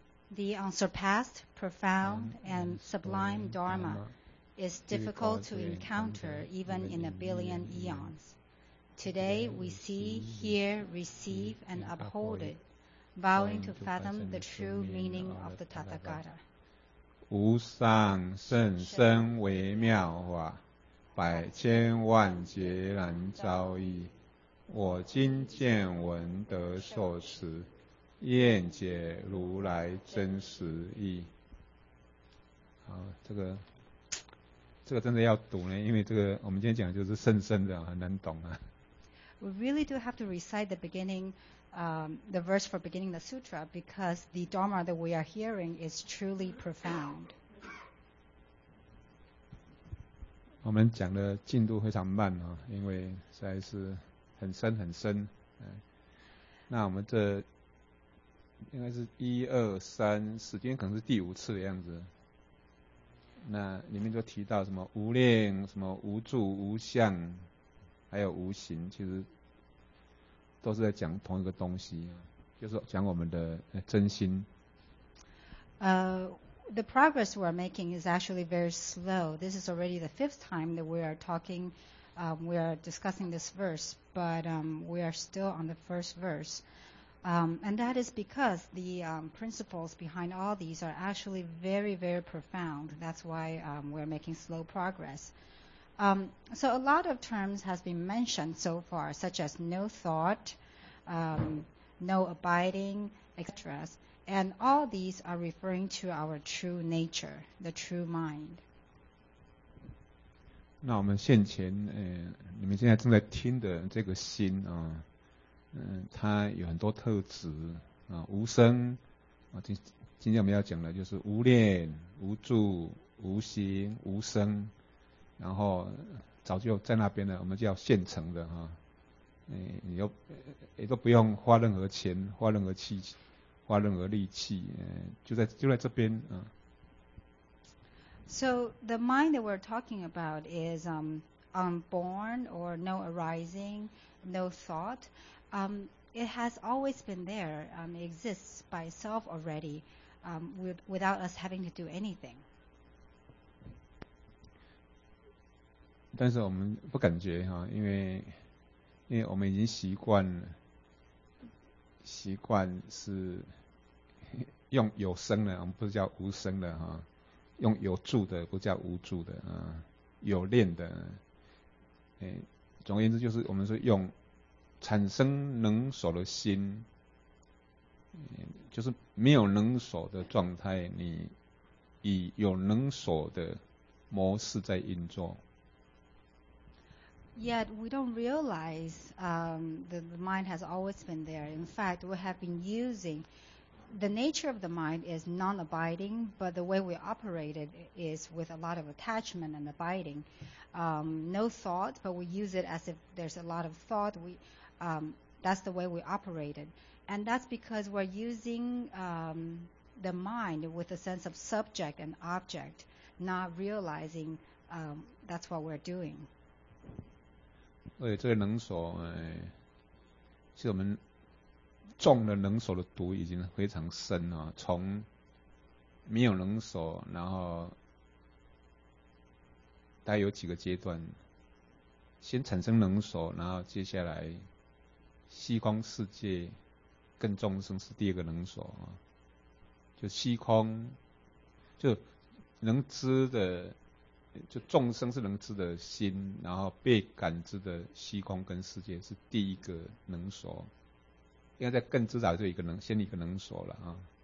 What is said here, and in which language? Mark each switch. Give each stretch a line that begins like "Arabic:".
English: The unsurpassed, profound, and sublime Dharma is difficult to encounter even in a billion eons. Today we see, hear, receive, and uphold it, vowing to fathom the true meaning of the Tathagata.
Chinese: 无上甚深微妙法，百千万劫难遭遇。我今见闻得受持，愿解如来真实义。好，这个真的要读呢，因为这个我们今天讲的就是甚深的，很难懂啊。
English: We really do have to recite the beginning, the verse for beginning the sutra, because the Dharma that we are hearing is truly profound.
Chinese: 我们讲的进度非常慢啊，因为实在是很深很深。那我们这应该是一二三四，今天可能是第五次的样子。那里面就提到什么无念、什么无住、无相，还有无形，其实都是在讲同一个东西，就是讲我们的真心。
English: The progress we're making is actually very slow. This is already the fifth time that we are talking, we are discussing this verse, but we are still on the first verse. And that is because the principles behind all these are actually very, very profound. That's why we're making slow progress. So a lot of terms has been mentioned so far, such as no thought, no abiding, etc. And all these are referring to our true nature, the true mind.
Chinese: 那我们现前，你们现在正在听的这个心啊，它有很多特质啊，无声啊，今天我们要讲的就是无念、无住、无形、无声，然后早就在那边了，我们叫现成的哈，也都不用花任何钱、花任何气、花任何力气，就在这边啊。
English: So the mind that we're talking about is unborn or no arising, no thought. It has always been there, it exists by itself already, without us having to do anything.
Chinese: 但是我们不感觉哈，因为我们已经习惯是用有声的，我们不是叫无声的哈。用有住的不叫无住的啊，有念的，总而言之就是我们说用产生能守的心，就是没有能守的状态，你以有能守的模式在运作。
English: Yet we don't realize that the mind has always been there. In fact, we have been using. The nature of the mind is non-abiding, but the way we operate it is with a lot of attachment and abiding. No thought, but we use it as if there's a lot of thought. That's the way we operate it. And that's because we're using the mind with a sense of subject and object, not realizing that's what we're doing.
Chinese: 对，这个能所，是我们中了能所的毒已经非常深了，从没有能所，然后大概有几个阶段，先产生能所，然后接下来虚空世界跟众生是第二个能所，就虚空就能知的，就众生是能知的心，然后被感知的虚空跟世界是第一个能所，应该在更至少就先一个能所了啊。